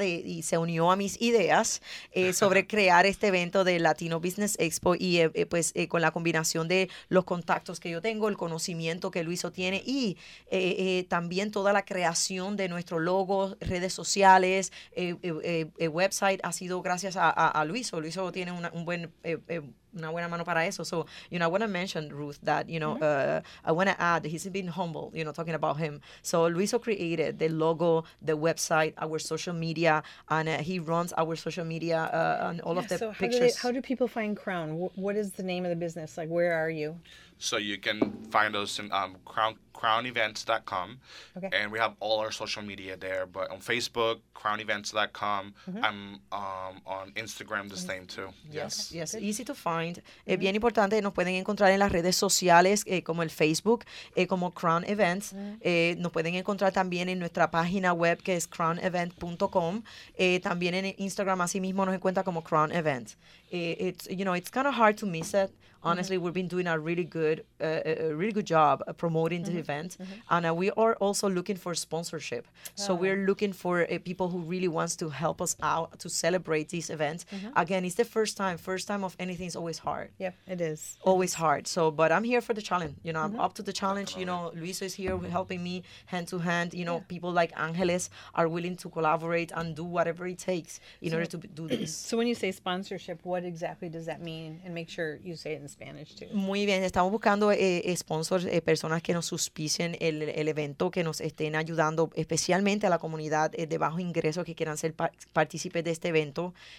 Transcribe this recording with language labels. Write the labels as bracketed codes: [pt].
[es] Y se unió a mis ideas sobre crear este evento de Latino Business Expo y con la combinación de los contactos que yo tengo, el conocimiento que Luiso tiene y también toda la creación de nuestro logo, redes sociales, website, ha sido gracias a Luiso. Luiso tiene una buena mano para eso. [en] So, you know, I want to mention, Ruth, that, you know, mm-hmm. I want to add, he's been humble, you know, talking about him. So, Luiso created the logo, the website, our social media, and he runs our social media and all of the pictures. How do people find Crown? What is the name of the business? Like, where are you? So you can find us in crownevents.com. Okay. And we have all our social media there. But on Facebook, crownevents.com. Mm-hmm. I'm on Instagram the same too. Yes. Yes, yes. Easy to find. Mm-hmm. [es] Bien importante, nos pueden encontrar en las redes sociales como el Facebook, como Crown Events. Mm-hmm. Nos pueden encontrar también en nuestra página web que es crownevent.com. También en Instagram, así mismo nos encuentra como Crown Events. [en] It's kind of hard to miss it. Honestly, mm-hmm. we've been doing a really good job promoting mm-hmm. the event. Mm-hmm. And we are also looking for sponsorship. So we're looking for people who really wants to help us out to celebrate this event. Mm-hmm. Again, it's the first time of anything is always hard. Yeah, it is. Always hard. So, but I'm here for the challenge. You know, mm-hmm. I'm up to the challenge. You know, Luiso is here mm-hmm. helping me hand to hand. You know, people like Angeles are willing to collaborate and do whatever it takes in order to do this. So when you say sponsorship, what exactly does that mean? And make sure you say it in Spanish too. [es] Muy bien. Estamos buscando sponsors, personas que nos auspicien el evento, que nos estén ayudando especialmente a la comunidad de bajo ingreso que quieran ser partícipes de este evento.